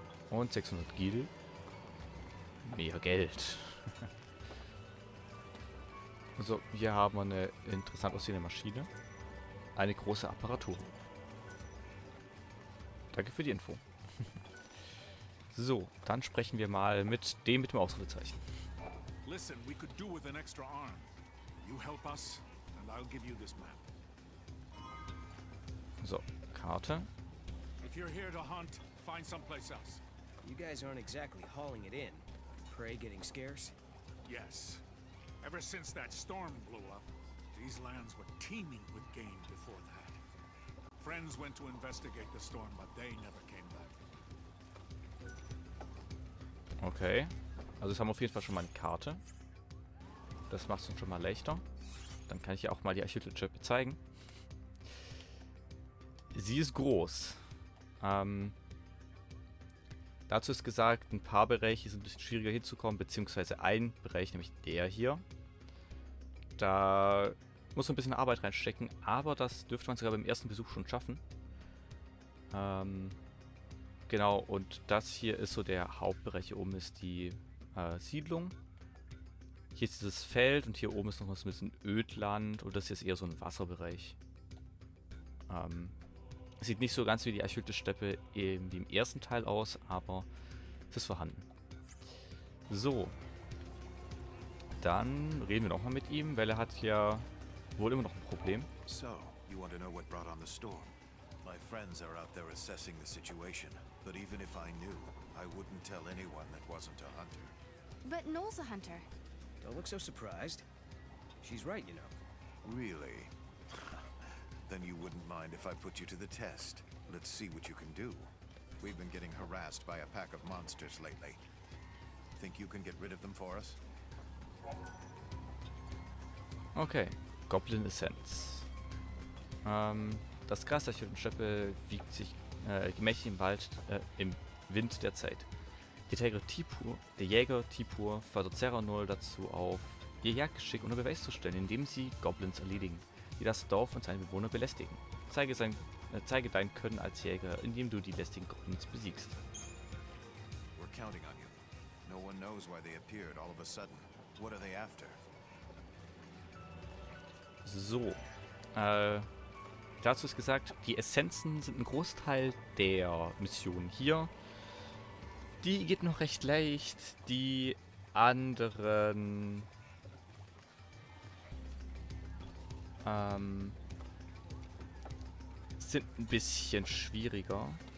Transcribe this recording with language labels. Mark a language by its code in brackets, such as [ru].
[de] Und 600 Gil. Mehr Geld. So, hier haben wir eine interessant aussehende Maschine. Eine große Apparatur. Danke für die Info. So, dann sprechen wir mal mit dem mit dem Ausrufezeichen. [en] Listen, we could do with an extra arm. You help us, and I'll give you this map. [de] So, Karte. [en] If you're here to hunt, find someplace else. You guys aren't exactly hauling it in. Prey getting scarce? Yes. Ever since that storm blew up, these lands were teeming with game before that. Friends went to investigate the storm, but they never came back. Okay. [de] Also, jetzt haben wir auf jeden Fall schon mal eine Karte. Das macht es uns schon mal leichter. Dann kann ich ja auch mal die Architektur zeigen. Sie ist groß. Dazu ist gesagt, ein paar Bereiche sind ein bisschen schwieriger hinzukommen, beziehungsweise ein Bereich, nämlich der hier. Da muss man ein bisschen Arbeit reinstecken, aber das dürfte man sogar beim ersten Besuch schon schaffen. Genau, und das hier ist so der Hauptbereich. Hier oben ist die Siedlung. Hier ist dieses Feld und hier oben ist noch ein bisschen Ödland und das hier ist eher so ein Wasserbereich. Sieht nicht so ganz wie die erhöhte Steppe wie im ersten Teil aus, aber es ist vorhanden. So. Dann reden wir nochmal mit ihm, weil er hat ja wohl immer noch ein Problem. [en] So, you want to know what brought on the storm? My friends are out there assessing the situation. But even if I knew, I wouldn't tell anyone that wasn't a hunter. But Noel's a hunter. Don't look so surprised. She's right, you know. Really? Then you wouldn't mind if I put you to the test. Let's see what you can do. We've been getting harassed by a pack of monsters lately. Think you can get rid of them for us? [de] Okay, Goblin Essenz. Das Gras der Schildenschöppe wiegt sich gemächlich im Wald, im Wind der Zeit. Der Jäger Tipur fördert Zeranul dazu auf, ihr Jagdgeschick unter Beweis zu stellen, indem sie Goblins erledigen, die das Dorf und seine Bewohner belästigen. Zeige dein Können als Jäger, indem du die lästigen Goblins besiegst. Wir [en] counting on you. No one knows why they appeared all of a sudden. What are they after? [de] So, dazu ist gesagt, die Essenzen sind ein Großteil der Mission hier. Die geht noch recht leicht, die anderen sind ein bisschen schwieriger.